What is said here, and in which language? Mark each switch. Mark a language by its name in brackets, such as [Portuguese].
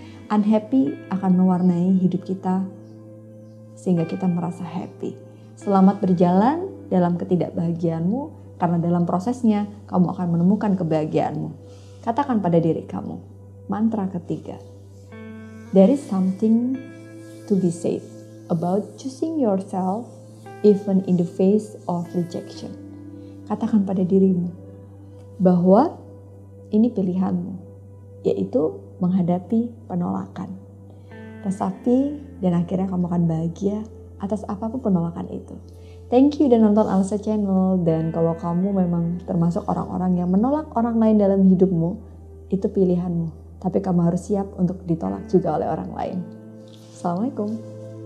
[Indonesian] Unhappy akan mewarnai hidup kita sehingga kita merasa happy. Selamat berjalan dalam ketidakbahagiaanmu, karena dalam prosesnya kamu akan menemukan kebahagiaanmu. Katakan pada diri kamu, mantra ketiga. [English] There is something to be said about choosing yourself even in the face of rejection. [Indonesian] Katakan pada dirimu bahwa ini pilihanmu, yaitu menghadapi penolakan. Resapi dan akhirnya kamu akan bahagia atas apapun penolakan itu. Thank you udah nonton Alsa Channel, dan kalau kamu memang termasuk orang-orang yang menolak orang lain dalam hidupmu, itu pilihanmu. Tapi kamu harus siap untuk ditolak juga oleh orang lain. Assalamualaikum.